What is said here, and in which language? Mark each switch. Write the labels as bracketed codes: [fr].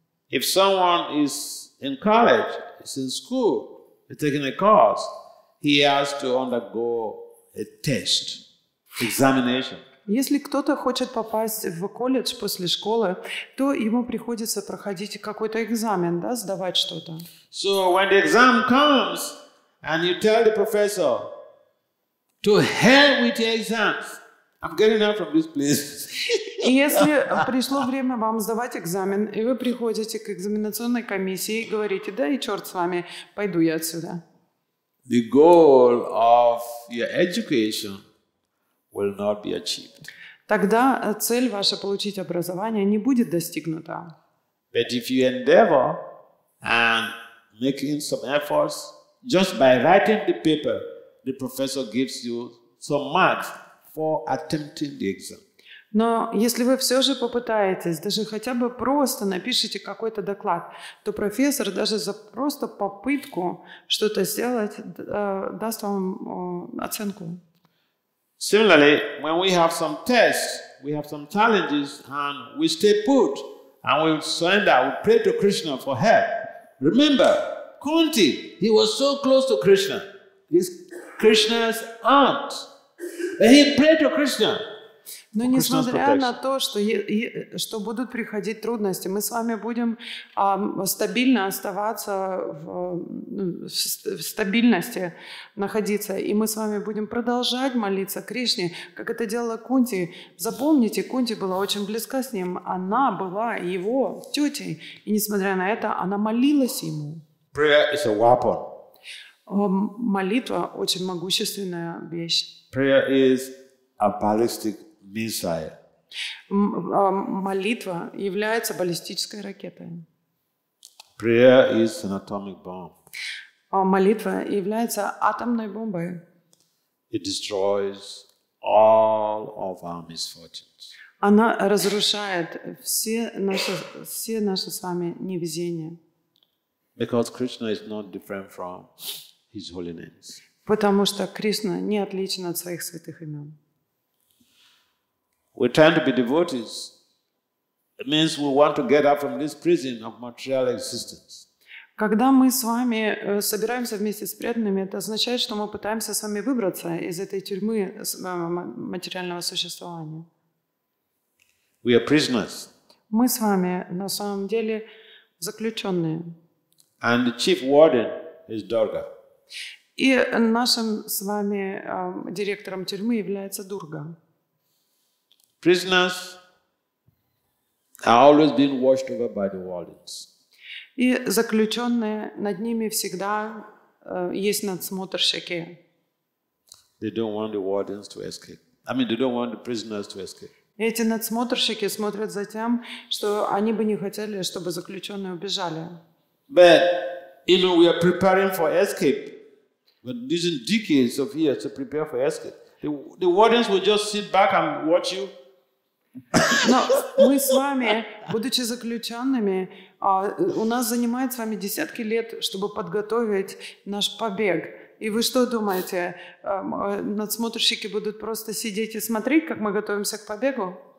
[en] If someone is in college, is in school, is taking a course, he has to undergo a test, examination. [ru] Если кто-то хочет попасть в колледж после школы, то ему приходится проходить какой-то экзамен, да, сдавать что-то. [en] So when the exam comes, and you tell the professor, to hell with your exams. I'm getting out from this place. [ru] Если пришло время вам сдавать экзамен, и вы приходите к экзаменационной комиссии и говорите, да и черт с вами, пойду я отсюда. [en] The goal of your education will not be achieved. [ru] Тогда цель ваша получить образование не будет достигнута. [en] But if you endeavor and making some efforts, just by writing the paper, the professor gives you some marks for attempting the exam. [ru] Но если вы все же попытаетесь, даже хотя бы просто напишите какой-то доклад, то профессор даже за просто попытку что-то сделать даст вам оценку. [en] Similarly, when we have some tests, we have some challenges and we stay put and we surrender, we pray to Krishna for help. Remember, Kunti, he was so close to Krishna. He's Krishna's aunt. And he prayed to Krishna. [ru] Но несмотря на то, что будут приходить трудности, мы с вами будем стабильно оставаться в стабильности находиться, и мы с вами будем продолжать молиться Кришне, как это делала Кунти. Запомните, Кунти была очень близка с ним, она была его тетей, и несмотря на это, она молилась ему. [en] Prayer is a weapon. [ru] Молитва очень могущественная вещь. [en] Prayer is a ballistic missile. [ru] Молитва является баллистической ракетой. [en] Prayer is an atomic bomb. [ru] Молитва является атомной бомбой. [en] It destroys all of our misfortunes. [ru] Она разрушает все наши с вами невезения. [en] Because Krishna is not different from His holy names. [ru] Потому что Кришна не отличен от своих святых имен. [en] We tend to be devotees. It means we want to get up from this prison of material existence. [ru] Когда мы с вами собираемся вместе с преданными, это означает, что мы пытаемся с вами выбраться из этой тюрьмы материального существования. [en] We are prisoners. [ru] Мы с вами на самом деле заключенные. [en] And the chief warden is Durga. [ru] И нашим с вами директором тюрьмы является Дурга. [en] Prisoners are always being watched over by the wardens. [ru] И заключенные, над ними всегда есть надсмотрщики. [en] They don't want the wardens to escape. I mean, they don't want the prisoners to escape. [ru] Эти надсмотрщики смотрят за тем, что они бы не хотели, чтобы заключенные убежали. [en] But you know, we are preparing for escape. But these decades of years to prepare for escape. The wardens will just sit back and watch you. [ru] Но мы с вами, будучи заключенными, у нас занимает с вами десятки лет, чтобы подготовить наш побег. И вы что думаете, надсмотрщики будут просто сидеть и смотреть, как мы готовимся к побегу?